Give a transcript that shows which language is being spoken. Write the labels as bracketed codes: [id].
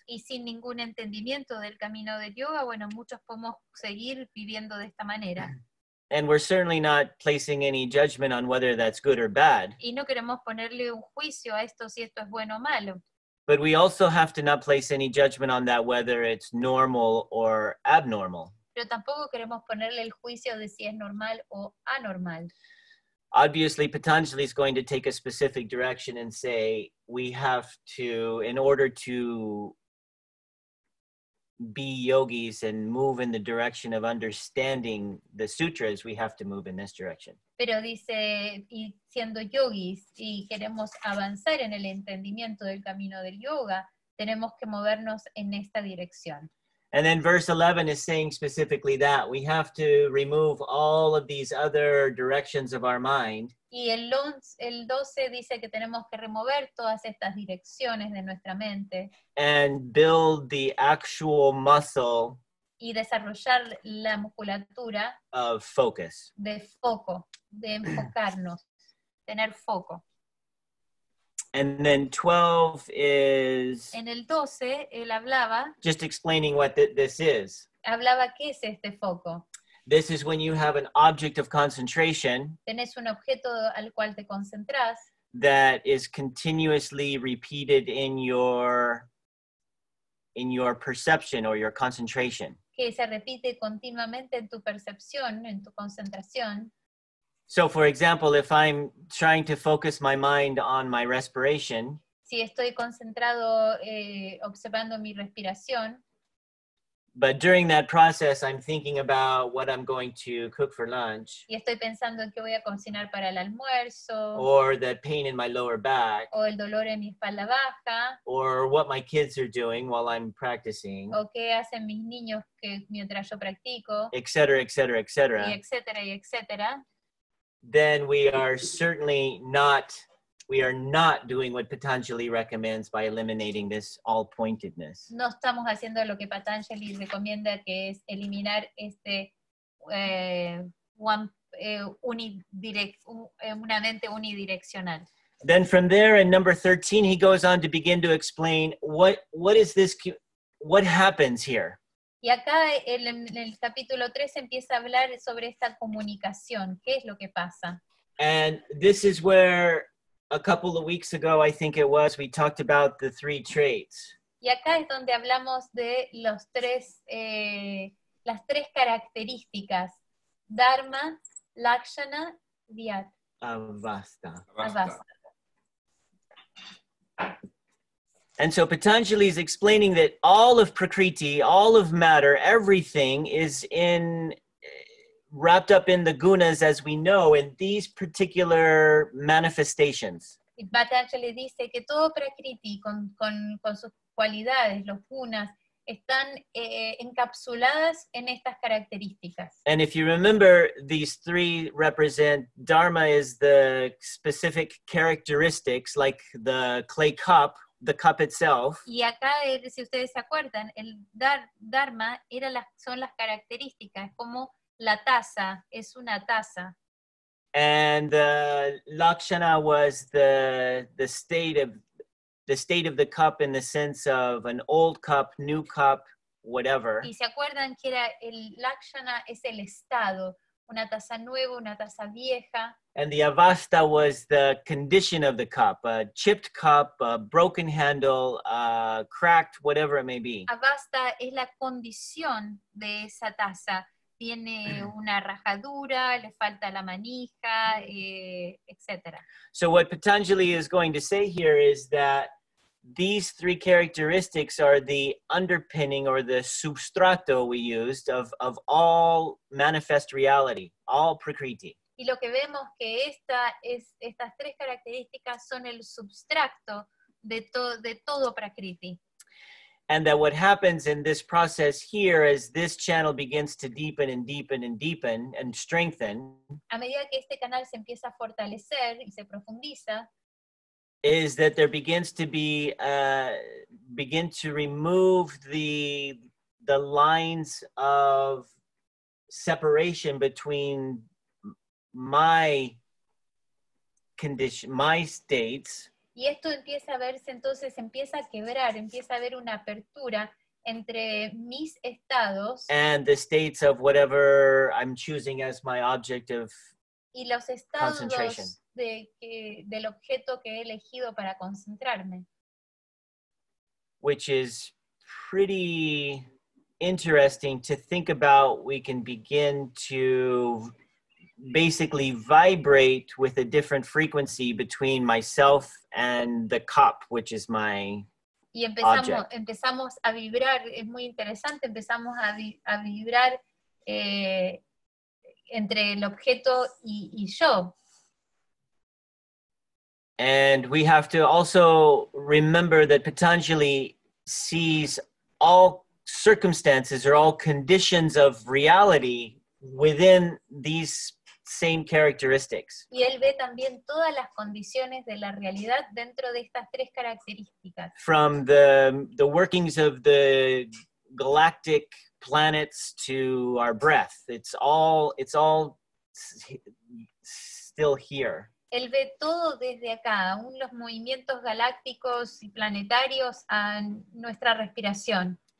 [es] Y sin ningún entendimiento del camino del yoga, bueno, muchos podemos seguir viviendo de esta manera. [en] And we're certainly not placing any judgment on whether that's good or bad. [es] Y no queremos ponerle un juicio a esto si esto es bueno o malo. [en] But we also have to not place any judgment on that whether it's normal or abnormal. [es] Pero tampoco queremos ponerle el juicio de si es normal o anormal. [en] Obviously, Patanjali is going to take a specific direction and say we have to, in order to be yogis and move in the direction of understanding the sutras, we have to move in this direction. [es] Pero dice, y siendo yogis y queremos avanzar en el entendimiento del camino del yoga, tenemos que movernos en esta dirección. [en] And then verse 11 is saying specifically that we have to remove all of these other directions of our mind. [es] Y el 12 dice que tenemos que remover todas estas direcciones de nuestra mente. [en] And build the actual muscle. [es] Y desarrollar la musculatura. [en] Of focus. [es] De foco, de enfocarnos, tener foco. [en] And then 12 is [es] en el 12, él hablaba, [en] just explaining what this is. [es] Hablaba, ¿qué es este foco? [en] This is when you have an object of concentration. [es] Tenés un objeto al cual te concentrás, [en] that is continuously repeated in your perception or your concentration. [es] Que se repite continuamente en tu percepción, en tu concentración. [en] So, for example, if I'm trying to focus my mind on my respiration, [es] si estoy concentrado, observando mi respiración, [en] but during that process, I'm thinking about what I'm going to cook for lunch, [es] y estoy pensando en qué voy a cocinar para el almuerzo, [en] or the pain in my lower back, [es] o el dolor en mi espalda baja, [en] or what my kids are doing while I'm practicing, [es] o qué hacen mis niños que mientras yo practico, [en] et cetera, et cetera, et cetera, [es] y et cetera, y et cetera. [en] Then we are certainly not, we are not doing what Patanjali recommends by eliminating this all-pointedness. [es] No estamos haciendo lo que Patanjali recomienda, que es eliminar este una mente unidireccional. [en] Then from there, in number 13, he goes on to begin to explain what is this, what happens here. [es] Y acá en el capítulo 3 empieza a hablar sobre esta comunicación, ¿qué es lo que pasa? [en] And this is where a couple of weeks ago, I think it was, we talked about the three traits. [es] Y acá es donde hablamos de los tres, las tres características, Dharma, Lakshana, Vyat. [en] Avasta. [es] Avasta. [en] And so Patanjali is explaining that all of prakriti, all of matter, everything is in wrapped up in the gunas as we know in these particular manifestations. [es] Patanjali dice que todo prakriti con sus cualidades, los gunas, están encapsuladas en estas características. [en] And if you remember, these three represent dharma is the specific characteristics like the clay cup. The cup itself. [es] Y acá, si ustedes se acuerdan, el dharma son las características, como la taza, es una taza. [en] And lakshana was the state of the cup in the sense of an old cup, new cup, whatever. [es] Y se acuerdan que era el lakshana es el estado, una taza nueva, una taza vieja. [en] And the avasta was the condition of the cup, a chipped cup, a broken handle, cracked, whatever it may be. [es] Avasta es la condición de esa taza. Tiene una rajadura, le falta la manija, etc. [en] So what Patanjali is going to say here is that these three characteristics are the underpinning or the substrato we used of all manifest reality, all prakriti. [es] Y lo que vemos que esta es, estas tres características son el substrato de todo prakriti. [en] And that what happens in this process here as this channel begins to deepen and deepen and deepen and strengthen. A medida que este canal se empieza a fortalecer y se profundiza, is that there begins to be begin to remove the lines of separation between my condition, my states. [es] Y esto empieza a verse entonces, empieza a quebrar, empieza a haber una apertura entre mis estados [en] and the states of whatever I'm choosing as my object of [es] y los estados [en] concentration. [es] Del objeto que he elegido para concentrarme. [en] Which is pretty interesting to think about. We can begin to basically vibrate with a different frequency between myself and the cup, which is my [es] y empezamos, [en] object. [es] Empezamos a vibrar, es muy interesante, empezamos a vibrar entre el objeto y yo. [en] And we have to also remember that Patanjali sees all circumstances or all conditions of reality within these same characteristics. [es] Y él ve también todas las condiciones de la realidad dentro de estas tres características. [en] From the workings of the galactic planets to our breath, it's all still here. [es] Él ve todo desde acá, aún los movimientos galácticos y planetarios a nuestra respiración.